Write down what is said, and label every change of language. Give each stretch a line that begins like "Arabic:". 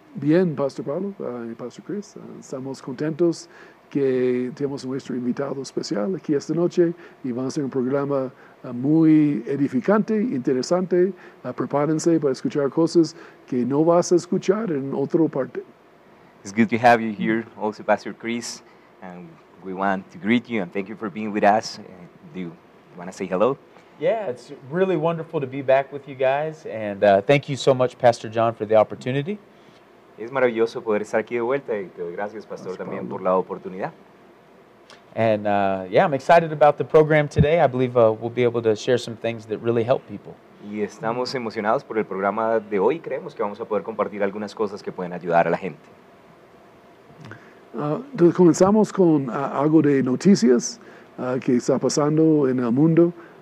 Spanish: Bien, Pastor Pablo y Pastor Chris, estamos contentos que tenemos nuestro invitado especial aquí esta noche y va a ser un programa muy edificante, interesante. Prepárense para escuchar cosas que no vas a escuchar en otra parte.
English: It's good to have you here, also Pastor Chris, and we want to greet you and thank you for being with us. Do you want to say hello? Yeah, it's really wonderful to be back with you guys, and thank you so much, Pastor John, for the opportunity.
Spanish: Es maravilloso poder estar aquí de vuelta y te doy gracias, Pastor,
English: that's
Spanish: también
English: problem.
Spanish: Por la oportunidad.
English: And yeah, I'm excited about the program today. I believe we'll be able to share some things that really help people.
Spanish: Y estamos emocionados por el programa de hoy. Creemos que vamos a poder compartir algunas cosas que pueden ayudar a la gente. Entonces comenzamos con algo de noticias que está pasando en el mundo.